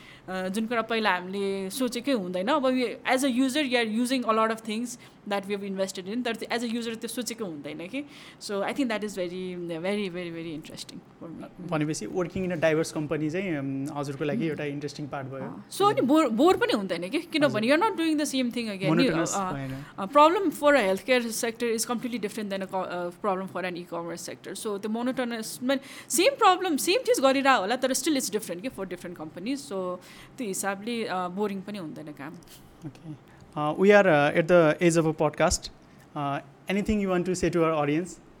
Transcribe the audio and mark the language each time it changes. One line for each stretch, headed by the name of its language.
Nepali: जुन कुरा पहिला हामीले सोचेकै हुँदैन. अब
English: as a user you are using a lot of things that we have invested in,
Nepali: तर एज अ युजर त्यो सोचेको हुँदैन कि.
English: So I think that is very very very very interesting.
Nepali: भनेपछि working in a diverse company चाहिँ हजुरको लागि एउटा इन्ट्रेस्टिङ पार्ट भयो. सो अनि बोर पनि हुँदैन कि, किनभने
English: You're not doing the same thing again. Problem for a health care sector is completely different than a problem for an e commerce sector.
Nepali: So त्यो मोनोटोनस सेम प्रब्लम सेम चिज गरिरहेको होला, तर
English: still it's different
Nepali: कि for different companies. So त्यो हिसाबले boring पनि हुँदैन काम.
English: Okay, we are at the edge of a podcast. Anything you want to say to our audience?